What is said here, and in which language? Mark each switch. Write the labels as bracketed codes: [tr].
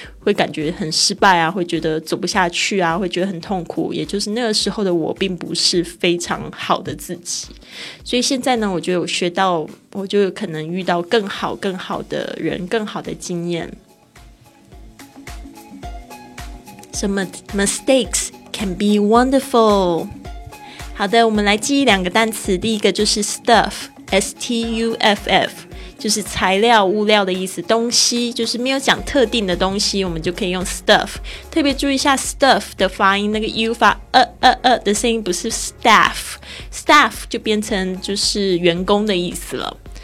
[zh] 会感觉很失败啊，会觉得走不下去啊，会觉得很痛苦，也就是那个时候的我并不是非常好的自己。所以现在呢，我就有学到，我就有可能遇到更好更好的人，更好的经验。 [en] So mistakes can be wonderful. [zh] 好的，我们来记忆两个单词。第一个就是 stuff, S-T-U-F-F, 就是材料、物料的意思。东西就是没有讲特定的东西，我们就可以用 stuff。特别注意一下 stuff 的发音，那个 U 发的声音不是 staff, staff 就变成就是员工的意思了。